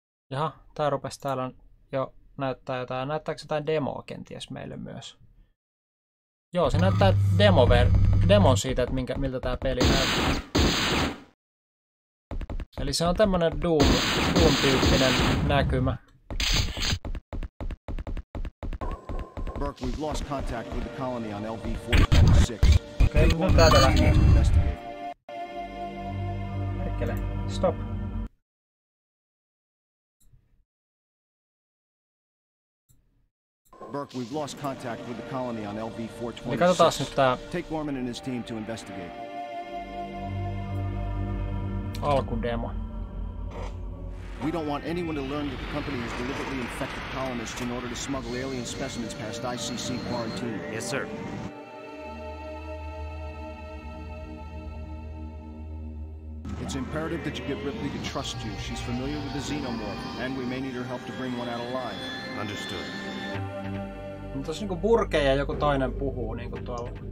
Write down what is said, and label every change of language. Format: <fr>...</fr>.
<fi>Jaha, tää rupes täällä jo näyttää jotain. Näyttääkö se jotain demoa kenties meille myös? Joo, se näyttää demon siitä, että miltä tää peli näyttää. Eli se on tämmönen Doom-tyyppinen näkymä.</fi> <en>Burke, we've lost contact with the colony on LV-46.</en> <fi>Okei, kun täältä lähtee.</fi> <en>Perkele, stop. Burke, we've lost contact with the colony on LV-426.</en> <fi>Niin katsotaas nyt tää.</fi> <en>Take Gorman and his team to investigate.</en> <fi>Alkudemo.</fi> <en>We don't want anyone to learn that the company has deliberately infected colonists in order to smuggle alien specimens past ICC quarantine. Yes, sir. It's imperative that you get Ripley to trust you. She's familiar with the Xenomorph, and we may need her help to bring one out alive. Understood.</en> <fi>Mutta se niinku Burke ja joku toinen puhuu niinku tuolla.</fi>